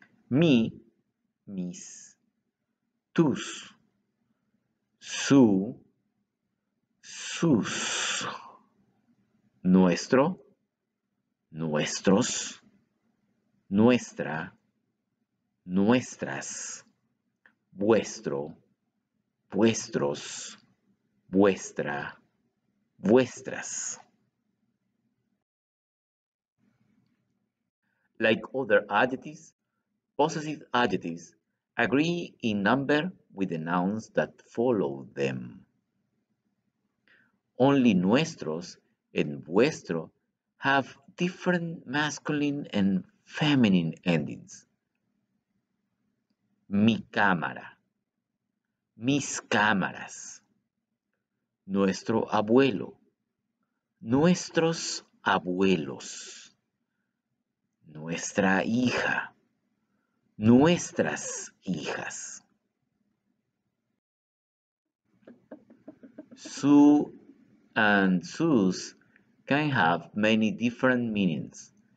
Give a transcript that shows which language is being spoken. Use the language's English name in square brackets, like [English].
[Spanish] Me, mis, tus, su, sus, nuestro, nuestros, nuestra, nuestras, vuestro, vuestros, vuestra, vuestras. [English] Like other adjectives, possessive adjectives agree in number with the nouns that follow them. Only nuestros and vuestro have different masculine and feminine endings. [Spanish] Mi cámara, mis cámaras, nuestro abuelo, nuestros abuelos, nuestra hija, nuestras hijas. [English] Su and sus can have many different meanings.